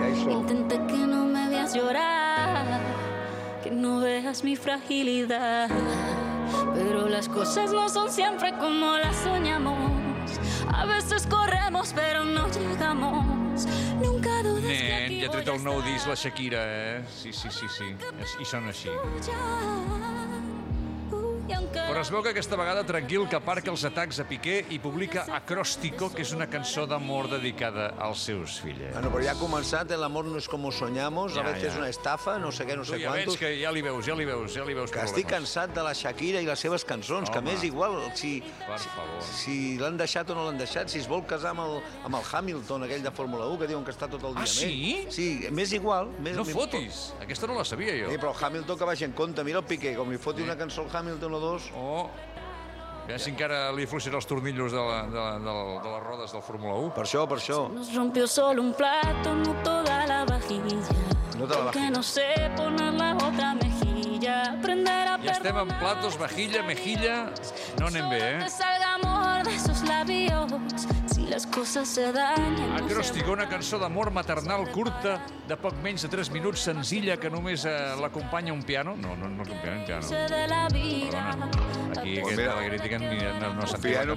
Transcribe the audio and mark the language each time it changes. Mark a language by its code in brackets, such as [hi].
[es] Intenté que no me veas llorar, que no veas mi fragilidad. Pero las cosas no son siempre como las soñamos. A veces corremos pero no llegamos. Nunca dudes que aquí voy a estar. Ya trae el nuevo disc, la Shakira, ¿eh? Sí. Y son así. [ca] Però es veu que aquesta vegada tranquil que aparca els atacs a Piqué i publica Acróstico, que és una cançó d'amor dedicada als seus fills. Bueno, però ja ha començat, el amor no és com ho soñamos, [es] a veces [ca] és una estafa, no sé què, no sé ja [es] quantos. [ca] Que ja li veus que problemes. Que estic cansat de la Shakira i les seves cançons, home, que més igual si... Per favor. Si l'han deixat o no l'han deixat, si es vol casar amb el Hamilton, aquell de Fórmula 1, que diuen que està tot el dia bé. Ah, sí? Sí, més igual. Més no fotis, pot. Aquesta no la sabia jo. Sí, però el Hamilton que vagi en compte, mira el Piqué, com li foti una cançó al Hamilton o dos. Ja si encara li fluixen els tornillos de les rodes del Fórmula 1. Per això. [es] Se nos rompió solo un plato, no toda la vajilla. No toda la vajilla. Que no sé poner la otra mejilla. Aprender a perdonar. [ca] Ja estem amb platos, vajilla, mejilla. No anem bé, eh? [es] Solo que salga amor de esos labios. [ca] Les coses se danyen... Acróstico, una cançó d'amor maternal curta de poc menys de 3 minuts, senzilla, que només l'acompanya un piano. No, un piano. Perdona. Aquí, aquesta, la crítica, no s'ha fet la cançó.